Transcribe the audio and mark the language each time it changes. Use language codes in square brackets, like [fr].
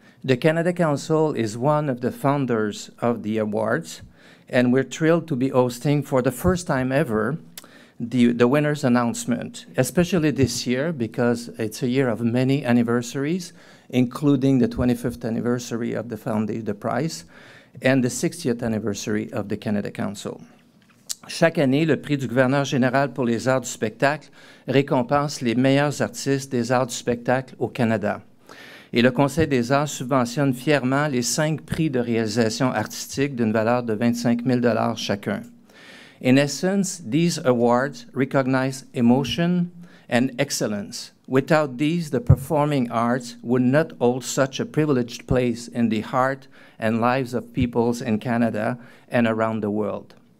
[en] The Canada Council is one of the founders of the awards, and we're thrilled to be hosting for the first time ever the winner's announcement, especially this year because it's a year of many anniversaries, including the 25th anniversary of the foundation, the prize, and the 60th anniversary of the Canada Council. [fr] Chaque année, le prix du gouverneur général pour les arts du spectacle récompense les meilleurs artistes des arts du spectacle au Canada. Et le Conseil des arts subventionne fièrement les 5 prix de réalisation artistique d'une valeur de 25 000 $ chacun. [en] In essence, these awards recognize emotion and excellence. Without these, the performing arts would not hold such a privileged place in the heart and lives of peoples in Canada and around the world.